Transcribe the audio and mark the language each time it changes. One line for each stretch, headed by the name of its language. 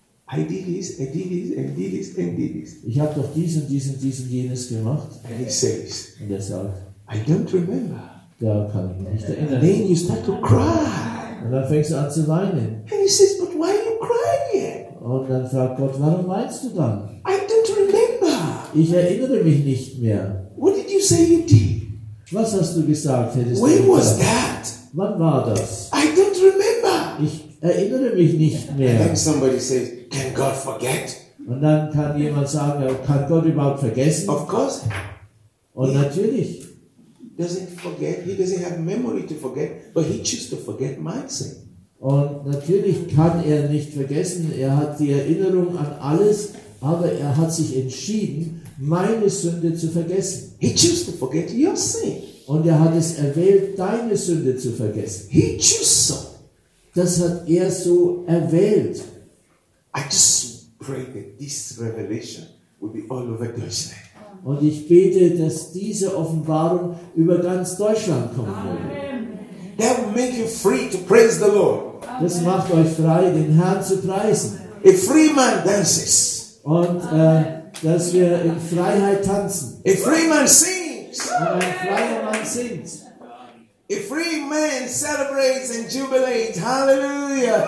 English: I did this, I did this, I did this, I did this.
German: Ich habe doch dies und dies und dies und jenes gemacht.
English: And he says,
German: und er sagt,
English: I don't remember.
German: Da kann ich mich nicht erinnern.
English: And then you start to cry.
German: Und dann fängst du an zu weinen.
English: And he says, but why are you crying yet?
German: Und dann fragt Gott, warum weinst du dann?
English: I don't remember.
German: Ich erinnere mich nicht mehr.
English: What did you say you did?
German: Was hast du gesagt, hättest
English: when
German: du gesagt?
English: Was that?
German: Wann war das?
English: I don't remember.
German: Ich erinnere mich nicht mehr.
English: And then somebody says, can God forget?
German: Und dann kann jemand sagen, kann Gott überhaupt vergessen?
English: Of course.
German: Und yeah. Natürlich.
English: Doesn't forget. He doesn't have memory to forget, but he chooses to forget my sin.
German: Und natürlich kann er nicht vergessen. Er hat die Erinnerung an alles, aber er hat sich entschieden, meine Sünde zu vergessen.
English: He chooses to forget your sin.
German: Und er hat es erwählt, deine Sünde zu vergessen.
English: He chooses so.
German: Das hat er so erwählt.
English: I just pray that this revelation will be all over Deutschland.
German: Und ich bete, dass diese Offenbarung über ganz Deutschland kommen wird.
English: That will make you free to praise the Lord.
German: Das macht euch frei, den Herrn zu preisen.
English: A free man dances.
German: Und dass wir in Freiheit tanzen.
English: A free man sings.
German: Und ein freier Mann singt.
English: A free man celebrates and jubilates. Hallelujah.